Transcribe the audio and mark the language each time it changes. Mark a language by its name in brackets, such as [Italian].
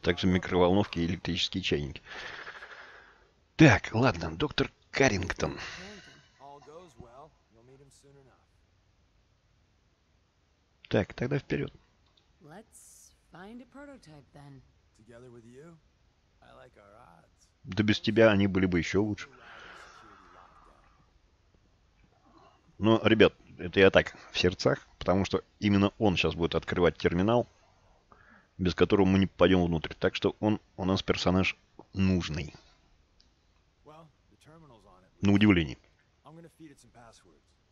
[Russian] Также микроволновки и электрические чайники. Так, ладно, доктор Каррингтон. [English] All goes well. You'll meet him soon enough. [Russian] Так, тогда вперед. [English] Let's find a prototype then. Together with you, I like our odds. [Russian] Да без тебя они были бы еще лучше. Ну, ребят, это я так, в сердцах, потому что именно он сейчас будет открывать терминал, без которого мы не попадем внутрь. Так что он у нас персонаж нужный. [English] Well, the terminal's on it. [Russian] На удивление. [English] I'm gonna feed it some passwords.